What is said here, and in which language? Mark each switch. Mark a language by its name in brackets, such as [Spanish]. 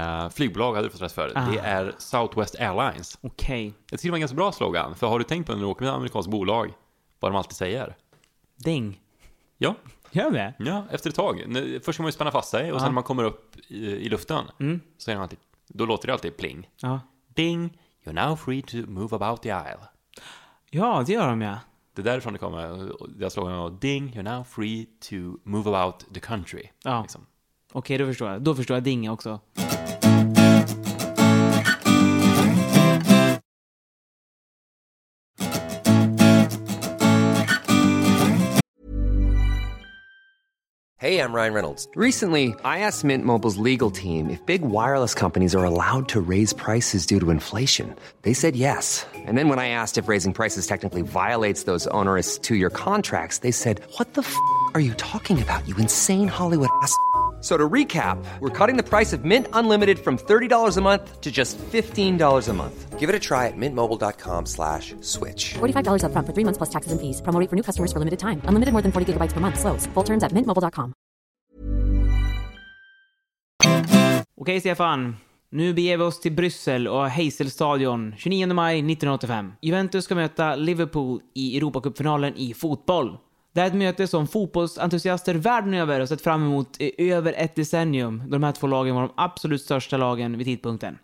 [Swedish] Flygbolag hade du fått rätt för. Aha. Det är Southwest Airlines. Okej. [English] Okay. [Swedish] Det är till en ganska bra slogan. För har du tänkt på när du åker med ett amerikanskt bolag, vad de alltid säger? Ding. Ja. Gör det? Ja, efter ett tag. Först ska man ju spänna fast sig. Och sen när man kommer upp i luften, mm, så är det alltid, då låter det alltid pling. Ja. [English] Ding, you're now free to move about the aisle. [Swedish] Ja, det gör de, ja. Det är därifrån det kommer. Jag slog honom, [English] ding, you're now free to move about the country. [Swedish] Ja, liksom. Okej, okay, då förstår jag. Då förstår jag ding också. [English] Hey, I'm Ryan Reynolds. Recently, I asked Mint Mobile's legal team if big wireless companies are allowed to raise prices due to inflation. They said yes. And then when I asked if raising prices technically violates those onerous two-year contracts, they said, what the f*** are you talking about, you insane Hollywood ass f***? So to recap, we're cutting the price of Mint Unlimited from $30 a month to just $15 a month. Give it a try at mintmobile.com/switch. $45 up front for 3 months plus taxes and fees. Promo rate for new customers for limited time. Unlimited more than 40 gigabytes per month. Slows full terms at mintmobile.com. [Swedish] Okej, Stefan. Nu beger vi oss till Bryssel och Heyselstadion 29 maj 1985. Juventus ska möta Liverpool i Europacupfinalen i fotboll. Det är ett möte som fotbollsentusiaster världen över har sett fram emot i över ett decennium, då de här två lagen var de absolut största lagen vid tidpunkten.